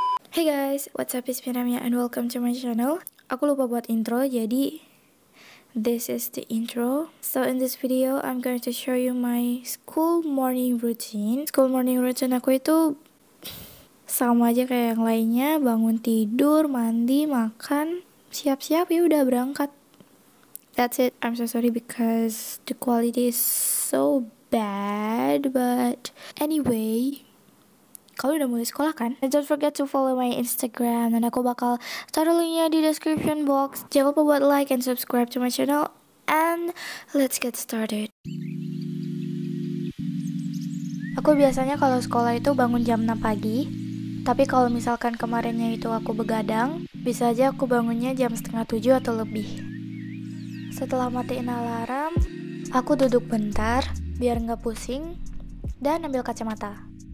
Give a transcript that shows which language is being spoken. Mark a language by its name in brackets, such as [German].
[English] Hey guys, what's up? It's Miramia and welcome to my channel. [Indonesian] Aku lupa buat intro, jadi [English] this is the intro. So in this video, I'm going to show you my school morning routine. [Indonesian] School morning routine aku itu sama aja kayak yang lainnya, bangun tidur, mandi, makan, siap-siap ya udah berangkat. [English] That's it. I'm so sorry because the quality is so bad, but anyway, [Indonesian] kalau udah mulai sekolah kan? [English] And don't forget to follow my Instagram, [Indonesian] dan aku bakal taruh linknya di description box. Jangan lupa buat [English] like and subscribe to my channel, and let's get started. [Indonesian] Aku biasanya kalau sekolah itu bangun jam 6 pagi. Tapi kalau misalkan kemarinnya itu aku begadang, bisa aja aku bangunnya jam 6:30 atau lebih. Setelah matiin alarm, aku duduk bentar biar nggak pusing dan ambil kacamata.